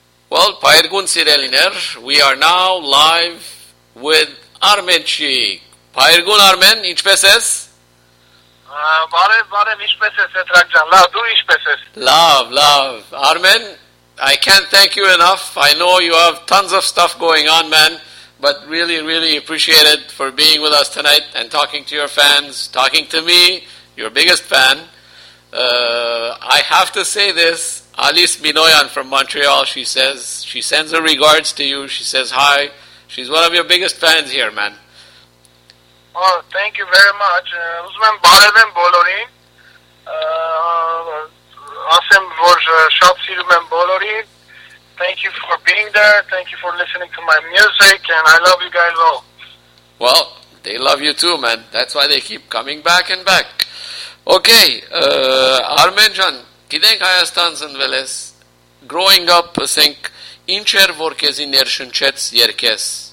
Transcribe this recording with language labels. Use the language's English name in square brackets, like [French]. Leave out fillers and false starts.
[English] Սիրելիներ, we are now live with Armen Chik. [Armenian] Բարգուն Armen, ինչպե՞ս ես։ Բարև, ինչպե՞ս ես, Սետրակ ջան։ Լավ, դու ինչպե՞ս ես։ [English] Լավ, Armen, I can't thank you enough. I know you have tons of stuff going on, man, but really, really appreciate it for being with us tonight and talking to your fans, talking to me, your biggest fan. I have to say this. Alice Minoyan from Montreal, she says, she sends her regards to you. She says hi. She's one of your biggest fans here, man. Well, thank you very much. [Armenian] Ուզում եմ բարև եմ բոլորին. Ասեմ, որ շատ սիրում եմ բոլորին. [English] Thank you for being there. Thank you for listening to my music. And I love you guys all. Well, they love you too, man. That's why they keep coming back and back. Okay, Armen Jan. [Armenian] Գիտենք Հայաստան ծնվել ես, [English] growing up, [Armenian] ասենք, ինչ էր, որ քեզի ներշնչեց երկես?